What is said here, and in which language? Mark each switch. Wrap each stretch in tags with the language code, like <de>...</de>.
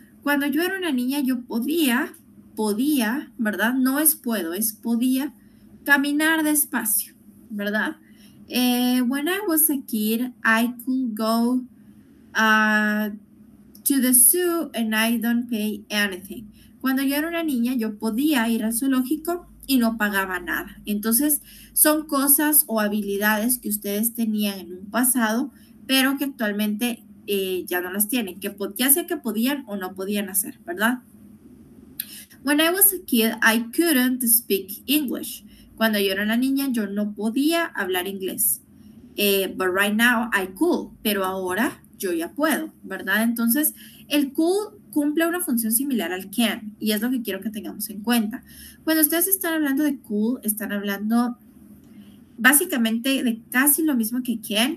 <es>Cuando yo era una niña, yo podía, ¿verdad? No es puedo, es podía caminar despacio, ¿verdad?</es> <en>When I was a kid, I could go to the zoo and I don't pay anything.</en> <es>Cuando yo era una niña, yo podía ir al zoológico y no pagaba nada. Entonces, son cosas o habilidades que ustedes tenían en un pasado, pero que actualmente ya no las tienen, que ya sea que podían o no podían hacer, ¿verdad?</es> <en>When I was a kid, I couldn't speak English.</en> <es>Cuando yo era una niña, yo no podía hablar inglés.</es> <en>But right now, I could.</en> <es>Pero ahora, yo ya puedo, ¿verdad? Entonces, el could cumple una función similar al can. Y es lo que quiero que tengamos en cuenta. Cuando ustedes están hablando de could, están hablando básicamente de casi lo mismo que can.</es>